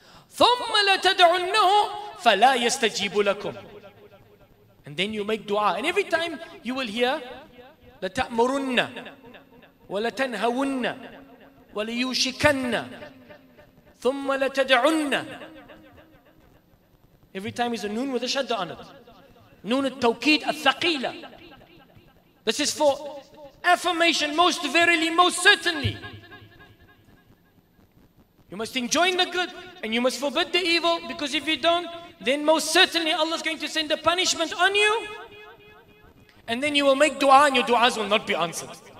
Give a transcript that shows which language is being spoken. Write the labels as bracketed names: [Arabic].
[Arabic] ثُمَّ لَتَدْعُنَّهُ فَلَا يَسْتَجِيبُ لَكُمْ [English] And then you make dua. And every time you will hear, [Arabic] لَتَأْمُرُنَّ وَلَتَنْهَوُنَّ وَلَيُوشِكَنَّ ثُمَّ لَتَدْعُنَّ [English] Every time is a noon with a shadda on it. [Arabic] Noon التوكيد الثقيلة. [English] This is for affirmation, most verily, most certainly. You must enjoin the good and you must forbid the evil, because if you don't, then most certainly Allah is going to send a punishment on you, and then you will make dua and your duas will not be answered.